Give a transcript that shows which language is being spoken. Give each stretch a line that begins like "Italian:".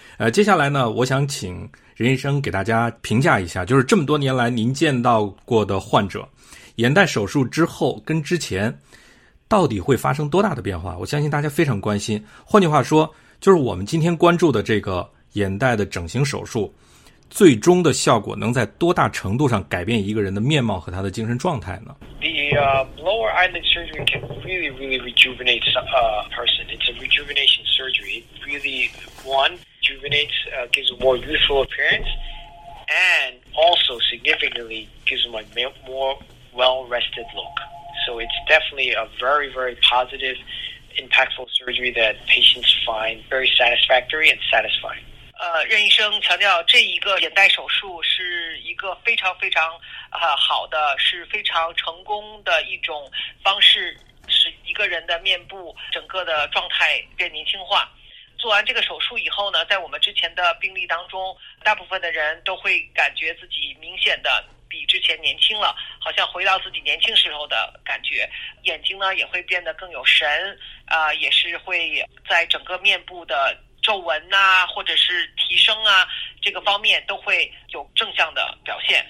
Chinese: 接下来呢我想请任医生给大家评价一下，就是这么多年来您见到过的患者眼袋手术之后跟之前到底会发生多大的变化？我相信大家非常关心。换句话说，就是我们今天关注的这个眼袋的整形手术，最终的效果能在多大程度上改变一个人的面貌和他的精神状态呢？
English: The lower eyelid surgery can really, really rejuvenate a person. It's a rejuvenation surgery. It really, one, rejuvenates, gives a more youthful appearance, and also significantly gives a more well-rested look. So it's definitely a very, very positive, impactful surgery that patients find very satisfactory and satisfying.
Chinese: 任医生强调，这一个眼袋手术是一个非常非常好的，是非常成功的一种方式，使一个人的面部整个的状态变年轻化。做完这个手术以后呢，在我们之前的病例当中，大部分的人都会感觉自己明显的比之前年轻了，好像回到自己年轻时候的感觉，眼睛呢也会变得更有神，也是会在整个面部的皱纹呐、或者是提升啊这个方面都会有正向的表现。